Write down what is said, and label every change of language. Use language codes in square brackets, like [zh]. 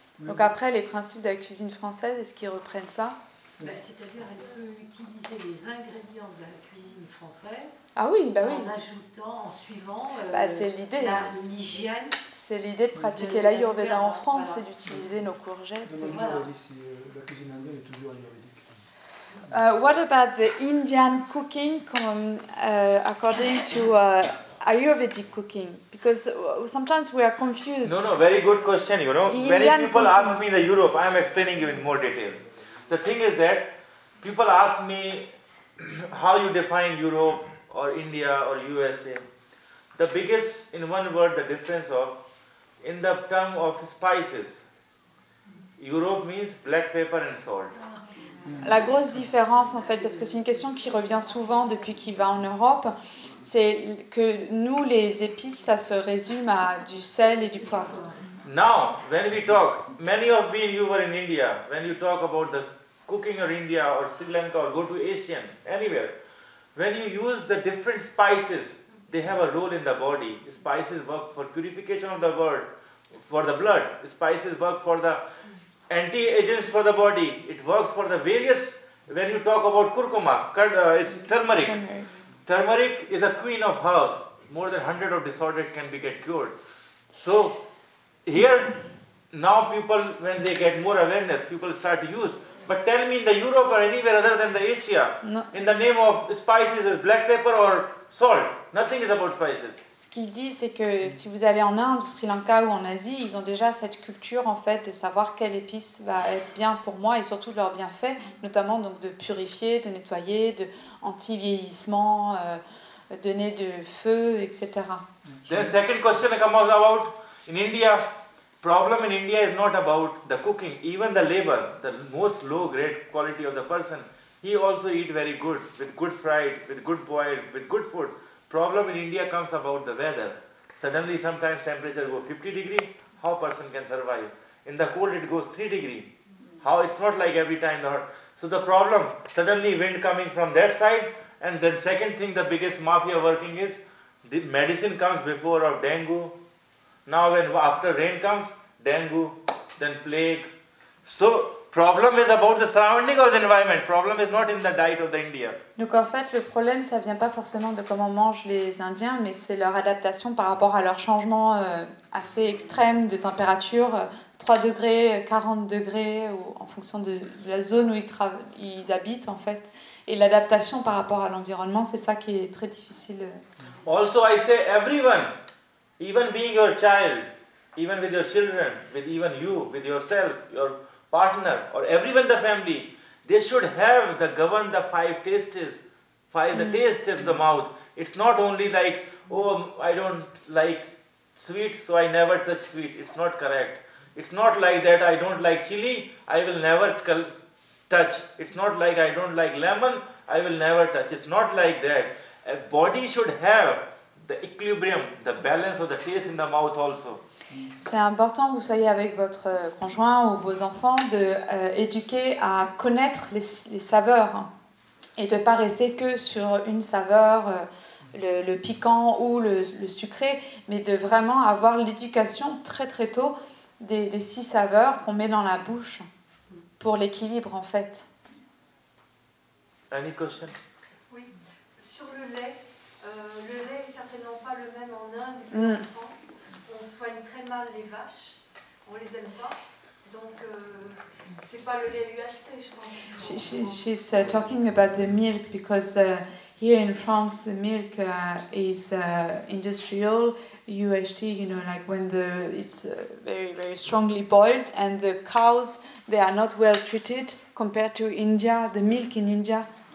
[fr] Donc après, les principes de la cuisine française, est-ce qu'ils reprennent ça ? C'est-à-dire qu'elle peut utiliser les ingrédients de la cuisine française. Ah oui, bah oui. En ajoutant, en suivant C'est l'idée, l'hygiène. C'est l'idée de pratiquer l'ayurveda en France, voilà. Et d'utiliser nos courgettes. Donc, voilà. La cuisine indienne est toujours ayurvédique. [en] What about the Indian cooking according to Ayurvedic cooking? Because sometimes we are confused. No, very good question. You know, Indian many people cooking. Ask me in the Europe, I am explaining you in more detail. The thing is that people ask me how you define Europe, or India, or USA. The biggest, in one word, the difference of, in the term of spices, Europe means black pepper and salt. [fr] La grosse différence, en fait, parce que c'est une question qui revient souvent depuis qu'il va en Europe, c'est que nous, les épices, ça se résume à du sel et du poivre. [en] Now, when we talk, many of you were in India, when you talk about the cooking in India, or Sri Lanka, or go to Asian, anywhere, when you use the different spices, they have a role in the body. Spices work for purification of the world, for the blood. Spices work for the anti-agents for the body. It works for the various, when you talk about curcuma, it's turmeric. Turmeric is a queen of herbs. More than 100 of disorders can be get cured. So here, now people, when they get more awareness, people start to use. But tell me, in the Europe or anywhere other than the Asia, in the name of spices, black pepper or salt, Nothing is about spices. [fr] Ce qu'il dit, c'est que si vous allez en Inde, au Sri Lanka ou en Asie, ils ont déjà cette culture en fait de savoir quelle épice va être bien pour moi et surtout de leurs bienfaits, notamment donc de purifier, de nettoyer, de anti-vieillissement, donner de feu, etc. [en] The second question comes about in India. Problem in India is not about the cooking. Even the labor, the most low grade quality of the person, he also eat very good, with good fried, with good boiled, with good food. Problem in India comes about the weather. Suddenly sometimes temperature goes 50 degrees, how person can survive? In the cold it goes 3 degrees. How, it's not like every time the hot. So the problem, suddenly wind coming from that side, and then second thing, the biggest mafia working is, the medicine comes before of dengue. Now when after rain comes, dengue, then plague. So problem is about the surrounding or the environment. Problem is not in the diet of the India. [fr] Donc en fait, le problème, ça vient pas forcément de comment mangent les Indiens, mais c'est leur adaptation par rapport à leur changement assez extrême de température, 3 degrés, 40 degrés, ou en fonction de la zone où ils habitent en fait. Et l'adaptation par rapport à l'environnement, c'est ça qui est très difficile. [en] Also, I say everyone, even being your child, even with your children, with even you, with yourself, your partner, or everyone in the family, they should have the govern the five tastes, the taste of the mouth. It's not only like, oh, I don't like sweet, so I never touch sweet. It's not correct. It's not like that, I don't like chili, I will never touch. It's not like I don't like lemon, I will never touch. It's not like that. A body should have the equilibrium, the balance of the taste in the mouth also. [fr] C'est important que vous soyez avec votre conjoint ou vos enfants de éduquer à connaître les saveurs et de pas rester que sur une saveur, le piquant ou le sucré, mais de vraiment avoir l'éducation très très tôt des six saveurs qu'on met dans la bouche pour l'équilibre en fait. [en] Any question? [fr] Oui, sur le lait est certainement pas le même en Inde qu'en France. On soigne très mal les vaches, on les aime pas, donc c'est pas le lait UHT, je pense. [en] She's talking about the milk because here in France, the milk is industrial UHT. You know, like when it's very very strongly boiled, and the cows, they are not well treated compared to India. The milk in India.